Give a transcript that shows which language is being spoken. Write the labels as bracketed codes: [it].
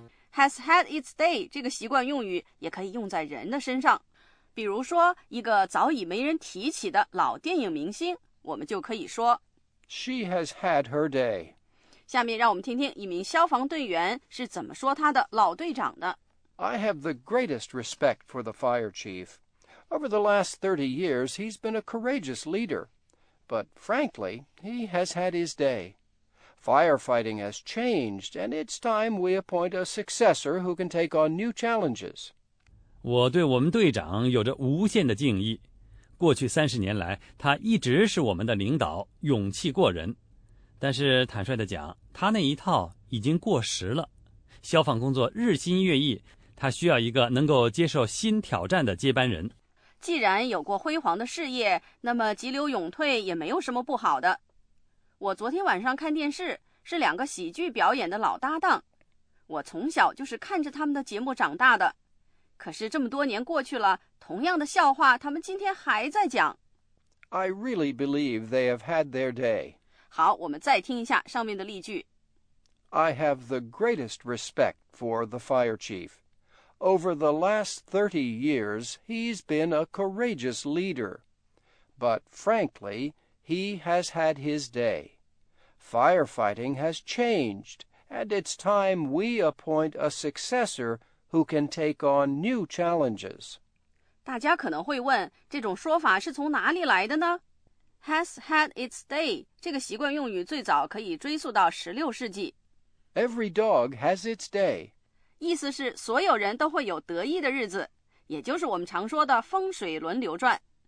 [en] Has had its day [zh] 这个习惯用语也可以用在人的身上。比如说一个早已没人提起的老电影明星，我们就可以说 [en] She has had her day. [zh] 下面让我们听听一名消防队员是怎么说他的老队长的。 [en] I have the greatest respect for the fire chief. Over the last 30 years, he's been a courageous leader. But frankly, he has had his day. Firefighting has changed, and it's time we appoint a successor who can take on new challenges. [zh] 我对我们队长有着无限的敬意，过去30年来，他一直是我们的领导，勇气过人。但是坦率地讲，他那一套已经过时了。消防工作日新月异，他需要一个能够接受新挑战的接班人。既然有过辉煌的事业，那么急流勇退也没有什么不好的。我昨天晚上看电视，是两个喜剧表演的老搭档，我从小就是看着他们的节目长大的。可是这么多年过去了，同样的笑话他们今天还在讲。 [en] I really believe they have had their day. [zh] 好，我们再听一下上面的例句。 [en] I have the greatest respect for the fire chief. Over the last 30 years, he's been a courageous leader. But frankly, he has had his day. Firefighting has changed, and it's time we appoint a successor. Who can take on new challenges? [zh] 大家可能会问，这种说法是从哪里来的呢？ [en] Has had its day [zh] 这个习惯用语最早可以追溯到16世纪。 [en] Every dog has its day. [zh] 意思是所有人都会有得意的日子，也就是我们常说的风水轮流转。